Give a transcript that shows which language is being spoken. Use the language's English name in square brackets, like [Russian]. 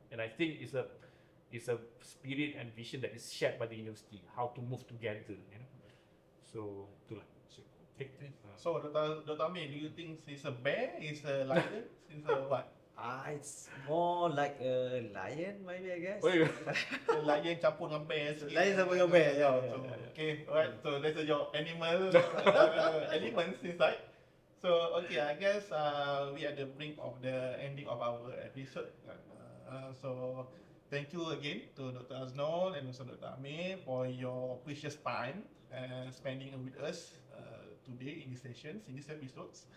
[English] And I think it's a spirit and vision that is shared by the university. How to move together. You know? So, [Malay] itulah. [English] So, Dr. Amir, do you think it's a bear, it's a lion, it's a what? It's more like a lion, maybe, I guess. [Malay] Lion campur dengan bear. Lion campur dengan bear, yeah. [English] Okay, right. So, that's your animal elements inside. So, okay, I guess we are the brink of the ending of our episode. So, thank you again to Dr. Aznol and also Dr. Amir for your precious time spending with us today in this session, in this episode.